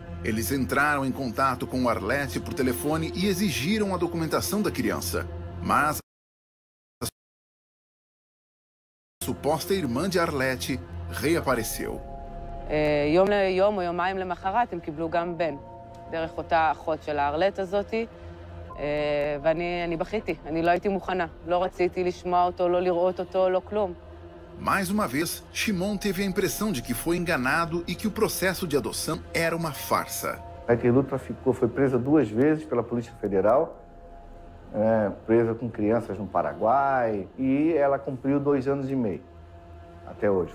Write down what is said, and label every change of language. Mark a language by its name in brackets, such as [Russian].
[Portuguese] Eles entraram em contato com o Arlete por telefone e exigiram a documentação da criança. Mas a suposta irmã de Arlete reapareceu. [Hebrew] Yom le yom, [Portuguese] ou [Hebrew] yomayim le macharat, [Portuguese] eles recebem também o filho, através da irmã da Arlete. [Hebrew] ואני בכיתי, אני לא הייתי מוכנה. לא רציתי לשמוע אותו, לא לראות אותו, לא כלום. [Portuguese] Mais uma vez, Shimon teve a impressão de que foi enganado e que o processo de adoção era uma farsa. Raquel Dutra foi presa duas vezes pela Polícia Federal, presa com crianças no Paraguai, e ela cumpriu 2 anos e meio até hoje.